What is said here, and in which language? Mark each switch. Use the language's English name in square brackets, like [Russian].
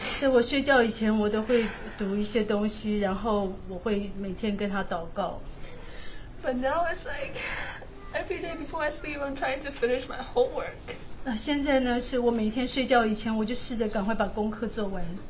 [Chinese] 在我睡觉以前，我都会读一些东西，然后我会每天跟他祷告。 [English] But now it's like every day before I sleep, I'm trying to finish my homework. [Chinese] 现在呢，是我每天睡觉以前，我就试着赶快把功课做完。